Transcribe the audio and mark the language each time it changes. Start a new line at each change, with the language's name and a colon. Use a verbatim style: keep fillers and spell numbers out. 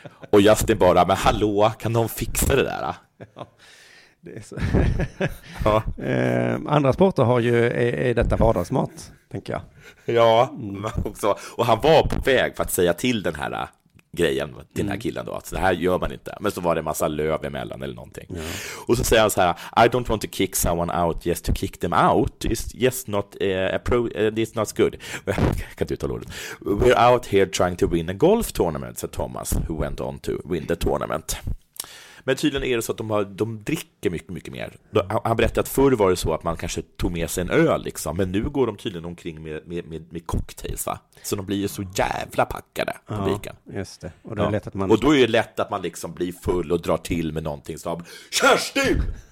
Swedish: Och Justin bara, men hallå, kan de fixa det där? Ja, det är så. Ja. Eh, andra sporter har ju är, är detta vardagsmat, tänker jag. Ja, också. Och han var på väg för att säga till den här grejen till den här killen då, att så det här gör man inte, men så var det en massa löv emellan eller någonting.
English: Yeah.
Swedish: Och så säger han så här,
English: I don't want to kick someone out just to kick them out, it's just not uh, a pro, uh, it's not good.
Swedish: Jag kan inte uttala ordet.
English: We're out here trying to win a golf tournament, said Thomas, who went on to win the tournament.
Swedish: Men tydligen är det så att de, har, de dricker mycket, mycket mer. Han berättade att förr var det så att man kanske tog med sig en öl, liksom, men nu går de tydligen omkring med, med, med, med cocktails, va? Så de blir ju så jävla packade, publiken. Ja, just det. Och, det är ja. lätt att man... och då är det lätt att man liksom blir full och drar till med någonting som Kerstin!